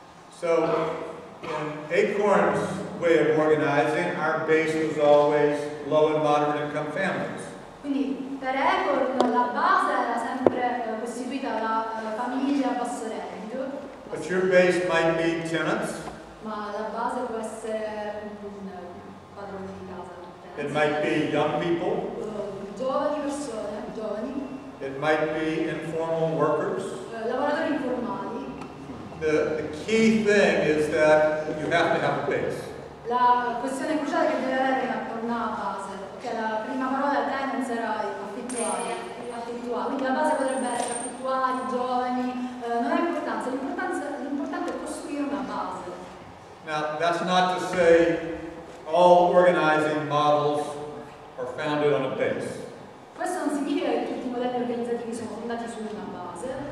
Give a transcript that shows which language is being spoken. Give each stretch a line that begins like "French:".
English: So, in ACORN's way of organizing, our base was always low and moderate income families.
Italian: Per ECORN la base era sempre costituita da famiglie a basso reddito.
English: But your base might be tenants.
Italian: Ma la base può essere un padrone di casa.
English: It might be young people.
Italian: Giovani persone, giovani.
English: It might be informal workers.
Italian: Lavoratori informali.
English: The key thing is that you have to have a base.
Italian: La questione cruciale che deve avere è per una base. Che la prima parola tenants era quindi la base potrebbe essere affittuari, giovani, non ha importanza, l'importante è costruire una base.
English: Now, that's not to say all organizing models are founded on a base.
Italian: Questo non significa che tutti i modelli organizzativi sono fondati su una base.